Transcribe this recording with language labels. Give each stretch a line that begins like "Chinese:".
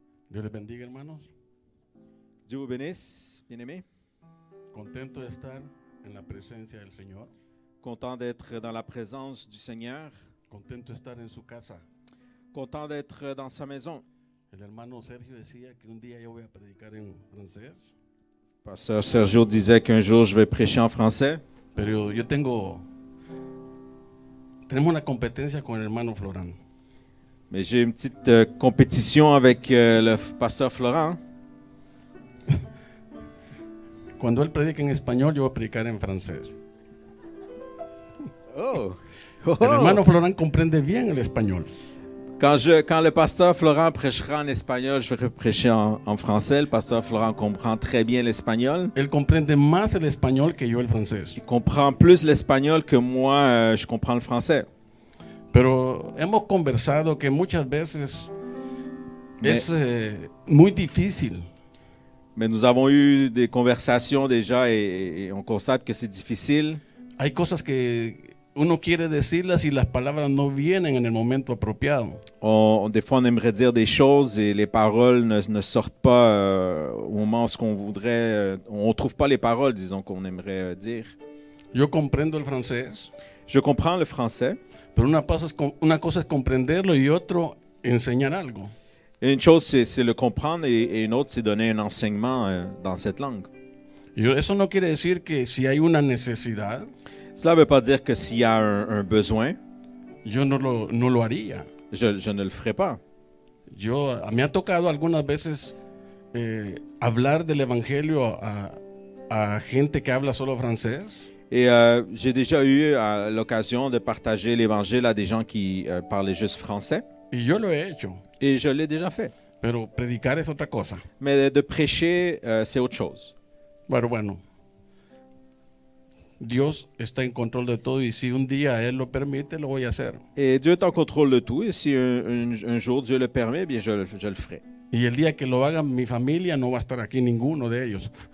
French: Dieu
Spanish: les bendiga, hermanos.
French: Dieu vous bénisse, bien-aimés.
Spanish: Contento de estar en la presencia del Señor.
French: Content d'être dans la présence du Seigneur.
Spanish: Contento de estar en su casa.
French: Content d'être dans sa maison.
Spanish: El hermano Sergio decía que un día yo voy a predicar en francés.
French: Pasteur Sergio disait qu'un jour je vais prêcher en français.
Spanish: Pero yo tengo tenemos una competencia con el hermano Florán.
French: Mais j'ai une petite compétition avec le pasteur Florán.
Spanish: Cuando él predica en español, yo voy a predicar en francés. Oh. El hermano Florán comprende bien el español.
French: Quand le pasteur Florán prêchera en
Spanish: español,
French: je vais prêcher en français. El pasteur Florán comprend très bien l'espagnol.
Spanish: Él comprende más el español que yo el francés.
French: Il comprend plus l'espagnol que moi, je comprends le français.
Spanish: Pero hemos conversado que muchas veces es muy difícil.
French: Mais nous avons eu des conversations déjà et on constate que c'est difficile.
Spanish: Hay cosas que uno quiere decirlas y las palabras no vienen en el momento apropiado.
French: Des fois on aimerait dire des choses et les paroles ne sortent pas au moment où on voudrait. On trouve pas les paroles, disons, qu'on aimerait dire.
Spanish: Yo comprendo el francés.
French: Je comprends le français.
Spanish: Pero una cosa es comprenderlo y otro enseñar algo.
French: Et une chose, c'est le comprendre, et une autre, c'est donner un enseignement dans cette langue.
Spanish: Eso no quiere decir que si hay una necesidad,
French: cela ne veut pas dire que s'il y a un besoin,
Spanish: yo no lo haría.
French: Je ne le ferai pas.
Spanish: Me ha tocado algunas veces hablar del evangelio a gente que habla solo francés.
French: Et j'ai déjà eu l'occasion de partager l'évangile à des gens qui parlaient juste français.
Spanish: Y yo lo he hecho.
French: Et je l'ai déjà fait.
Spanish: Pero predicar es otra cosa.
French: Mais de prêcher, c'est autre chose.
Spanish: Bueno. Dios está en control de todo y si un día él lo permite, lo voy a hacer.
French: Et Dieu est en contrôle de tout et si un jour Dieu le permet, bien je le ferai.
Spanish: Y el día que lo haga mi familia no va a estar aquí ninguno de ellos.